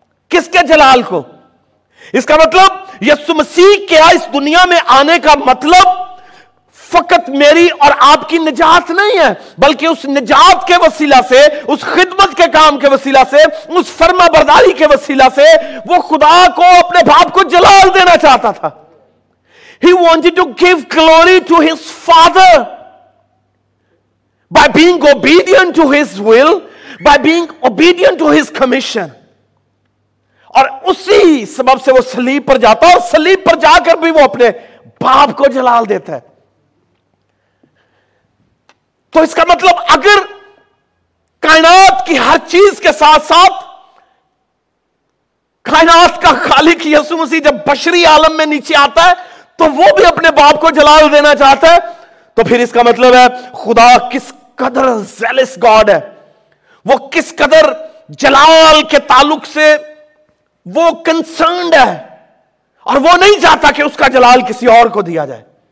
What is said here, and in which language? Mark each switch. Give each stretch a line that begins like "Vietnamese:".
Urdu: کس کے جلال کو؟ اس کا مطلب یسوع مسیح کے اس دنیا میں آنے کا مطلب فقط میری اور آپ کی نجات نہیں ہے، بلکہ اس نجات کے وسیلہ سے، اس خدمت کے کام کے وسیلہ سے، اس فرما برداری کے وسیلہ سے وہ خدا کو، اپنے باپ کو جلال دینا چاہتا تھا.
English: He wanted to give glory to his father by being obedient to his will, by being obedient to his commission.
Urdu: اور اسی سبب سے وہ صلیب پر جاتا ہے، اور صلیب پر جا کر بھی وہ اپنے باپ کو جلال دیتا ہے. تو اس کا مطلب اگر کائنات کی ہر چیز کے ساتھ ساتھ کائنات کا خالق یسوع مسیح جب بشری عالم میں نیچے آتا ہے تو وہ بھی اپنے باپ کو جلال دینا چاہتا ہے، تو پھر اس کا مطلب ہے خدا کس قدر زیلس گاڈ ہے، وہ کس قدر جلال کے تعلق سے وہ کنسرنڈ ہے، اور وہ نہیں چاہتا کہ اس کا جلال کسی اور کو دیا جائے.